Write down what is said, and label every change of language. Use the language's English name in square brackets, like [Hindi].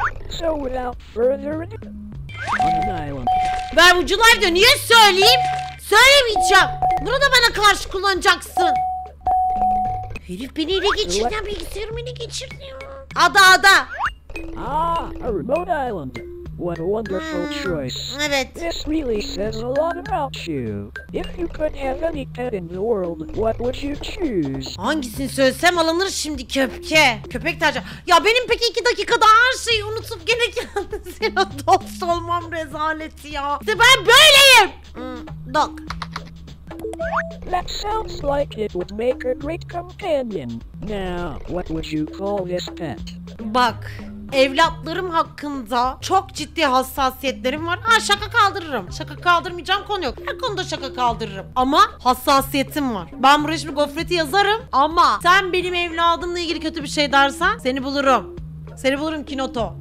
[English] So without further ado... [Turkish] Ver ucu live diyor. Niye söyleyeyim? Söylemeyeceğim. Bunu da bana karşı kullanacaksın. Herif beni ele geçirdi. Bilgisayarımı ele geçirdi. Ada. [English] Ah, a remote island. What a wonderful choice. [Turkish] Evet. [English] This really says a lot about you. If you could have any pet in the world, what would you choose? [Turkish] Hangisini söylesem alınır şimdi köpke. Köpek tercih. Ya benim peki 2 dakikada her şeyi unutup gene kendisine dost olmam rezaleti ya. İşte ben böyleyim. Dog. [English] That sounds like it would make a great companion. Now, what would you call this pet? [Turkish] Bak. Evlatlarım hakkında çok ciddi hassasiyetlerim var. Ha şaka kaldırırım. Şaka kaldırmayacağım konu yok. Her konuda şaka kaldırırım. Ama hassasiyetim var. Ben buraya şimdi gofreti yazarım. Ama sen benim evladımla ilgili kötü bir şey dersen seni bulurum. Seni bulurum Kinoto.